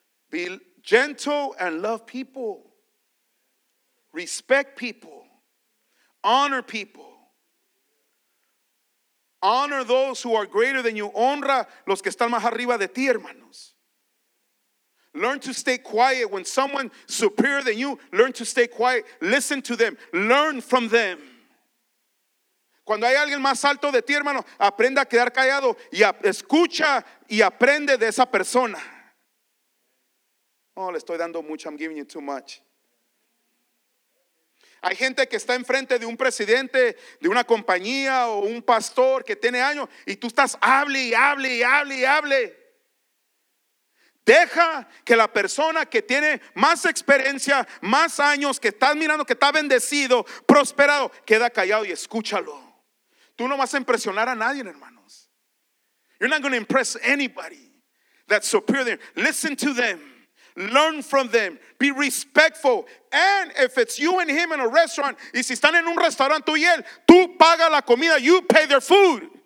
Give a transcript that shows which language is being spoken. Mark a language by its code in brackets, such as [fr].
[en] Be gentle and love people. Respect people. Honor people. Honor those who are greater than you. [es] Honra los que están más arriba de ti, hermanos. [en] Learn to stay quiet. When someone superior than you, learn to stay quiet. Listen to them. Learn from them. [es] Cuando hay alguien más alto de ti, hermano, aprende a quedar callado y escucha y aprende de esa persona. Oh, le estoy dando mucho. [en] I'm giving you too much. [es] Hay gente que está enfrente de un presidente de una compañía o un pastor que tiene años y tú estás hable y hable y hable y hable. Deja que la persona que tiene más experiencia, más años, que estás mirando, que está bendecido, prosperado, queda callado y escúchalo. Tú no vas a impresionar a nadie, hermanos. [en] You're not going to impress anybody that's superior. Listen to them. Learn from them. Be respectful. And if it's you and him in a restaurant, [es] y si están en un restaurante tú y él, tú paga la comida. [en] You pay their food.